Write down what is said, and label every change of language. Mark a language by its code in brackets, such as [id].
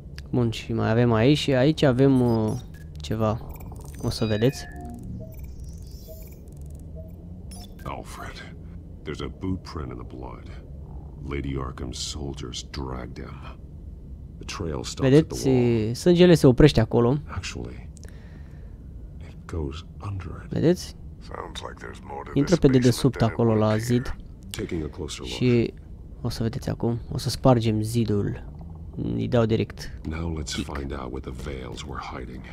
[ro] Bun, și mai avem aici și aici avem ceva. O să vedeți. [en] Alfred, there's a boot print in the blood. Lady Arkham's soldiers dragged him. The trail stops. [ro] Vedeți, sângele se oprește acolo. [en] Actually, it goes under it. [ro] Vedeți? [en] Sounds like there's more to this. [ro] Intră pe dedesubt acolo la zid. [en] Taking a closer look. [ro] Și o să vedeți acum, o să spargem zidul. Îi dau direct. [en] Now let's find out what the veils were hiding.